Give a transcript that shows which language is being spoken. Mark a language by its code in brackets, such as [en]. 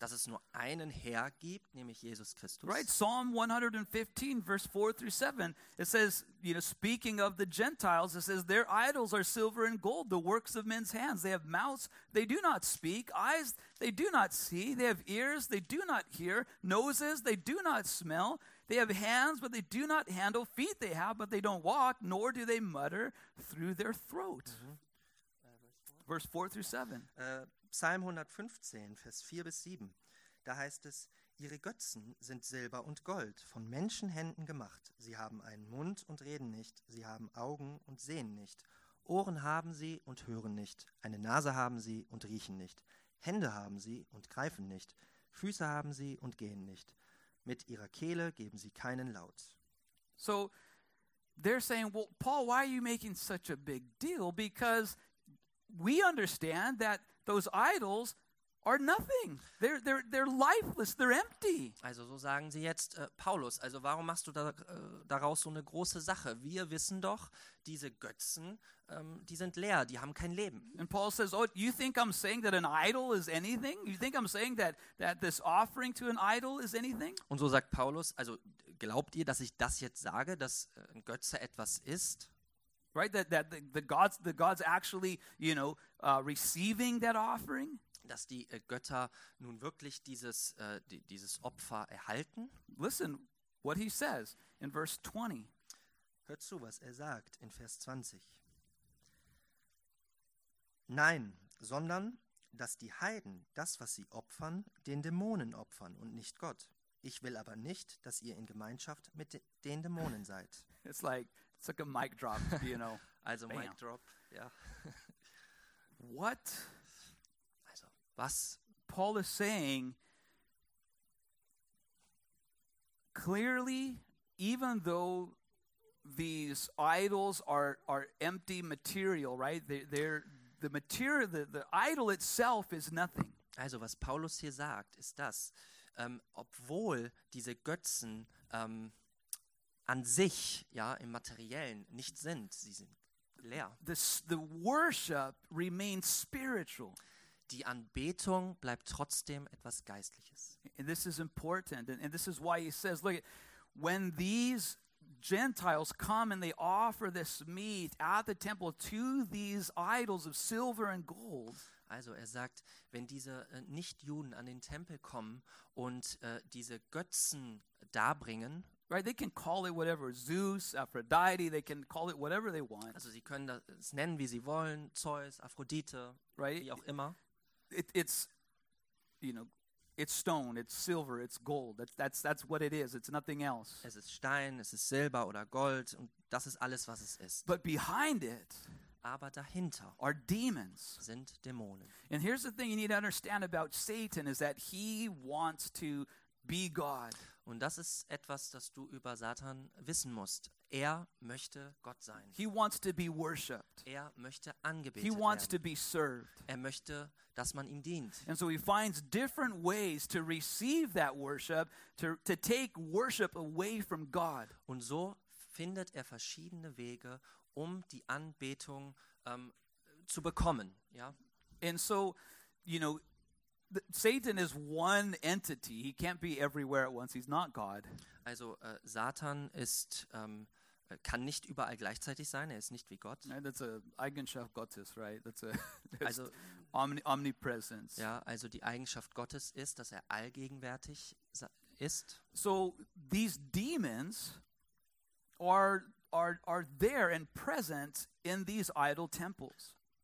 [de] Dass es nur einen Herr gibt, nämlich Jesus Christus. [en] Right, Psalm 115, verse 4-7, it says, you know, speaking of the Gentiles, it says, their idols are silver and gold, the works of men's hands. They have mouths, they do not speak, eyes, they do not see, they have ears, they do not hear, noses, they do not smell. They have hands, but they do not handle. Feet they have, but they don't walk, nor do they mutter through their throat. Mm-hmm. Verse 4 through 7. [de] Psalm 115, Vers 4 bis 7. Da heißt es, ihre Götzen sind Silber und Gold, von Menschenhänden gemacht. Sie haben einen Mund und reden nicht. Sie haben Augen und sehen nicht. Ohren haben sie und hören nicht. Eine Nase haben sie und riechen nicht. Hände haben sie und greifen nicht. Füße haben sie und gehen nicht. Mit ihrer Kehle geben sie keinen Laut. [en] So they're saying, well, Paul, why are you making such a big deal? Because we understand that those idols are nothing. They're lifeless, they're empty. [de] Also so sagen sie jetzt, Paulus, also warum machst du da, daraus so eine große Sache? Wir wissen doch, diese Götzen, die sind leer, die haben kein Leben. [en] And Paul says, oh, you think I'm saying that an idol is anything? You think I'm saying that this offering to an idol is anything? [de] Und so sagt Paulus, also glaubt ihr, dass ich das jetzt sage, dass ein Götze etwas ist? [en] Right, that the gods actually, you know, receiving that offering? [de] Dass die Götter nun wirklich dieses dieses Opfer erhalten? [en] Listen, what he says in verse 20. [de] Hört zu, was er sagt in Vers 20. Nein, sondern, dass die Heiden das, was sie opfern, den Dämonen opfern und nicht Gott. Ich will aber nicht, dass ihr in Gemeinschaft mit den Dämonen seid. [en] It's like, it's like a mic drop, you know. [de] Also mic drop, ja. [en] What? [de] Also, was? [en] Paul is saying, clearly, even though these idols are empty material, right? The idol itself is nothing. [de] Also was Paulus hier sagt, ist das, obwohl diese Götzen an sich, ja, im Materiellen nicht sind, sie sind leer. [en] The worship remains spiritual. [de] Die Anbetung bleibt trotzdem etwas Geistliches. [en] And this is important, and this is why he says, look, when these Gentiles come and they offer this meat at the temple to these idols of silver and gold. [de] Also er sagt, wenn diese Nichtjuden an den Tempel kommen und diese Götzen darbringen, [en] right, they can call it whatever, Zeus, Aphrodite, they can call it whatever they want. [de] Also sie können das nennen, wie sie wollen, Zeus, Aphrodite, [en] right? [de] Wie auch immer. [en] It's, you know, it's stone, it's silver, it's gold. That's what it is. It's nothing else. [de] Es ist Stein, es ist Silber oder Gold, und das ist alles, was es ist. [en] But behind it, [de] aber dahinter, [en] are demons. [de] Sind Dämonen. [en] And here's the thing you need to understand about Satan is that he wants to be God. [de] Und das ist etwas, das du über Satan wissen musst. Er möchte Gott sein. [en] He wants to be worshipped. [de] Er möchte angebetet [en] He wants [de] werden. [en] To be served. [de] Er möchte, dass man ihm dient. [en] And so he finds different ways to receive that worship, to take worship away from God. [de] Und so findet er verschiedene Wege, um die Anbetung zu bekommen. Ja? [en] And so, you know, Satan is one entity. He can't be everywhere at once. He's not God. [de] Also Satan ist kann nicht überall gleichzeitig sein. Er ist nicht wie Gott. [en] Yeah, that's a Eigenschaft Gottes, right? That's omnipresence. [de] Ja, also die Eigenschaft Gottes ist, dass er allgegenwärtig ist. [en] So these demons are are there and present in these idol temples.